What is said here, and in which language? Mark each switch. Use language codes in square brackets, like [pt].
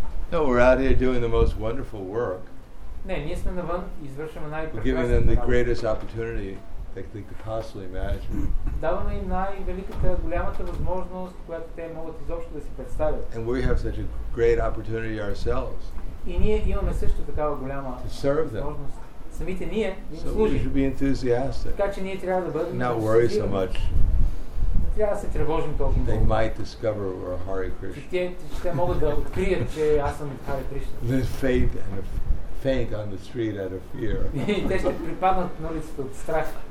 [en] No, we're out here doing the most wonderful work. [bg] Не, ние сме навън и извършваме най-прекрасна работа. [en] Giving them the greatest opportunity that they could possibly imagine. [bg] Даваме им най-великата, голямата възможност, която те могат изобщо да си представят. [en] And we have such a great opportunity ourselves. [bg] И ние имаме също такава голяма възможност. Самите ние, ние служим. [en] So we should be enthusiastic. [bg] Така че ние трябва да бъдем. [en] Not worry so much. [bg] Трябва да се тревожим толкова. [en] They might discover we're Hare Krishna. [bg] Те могат да открият, че аз съм Hare Krishna. [en] There's faith and a faint on the street out of fear. [bg] Те ще припаднат на улицата от страх.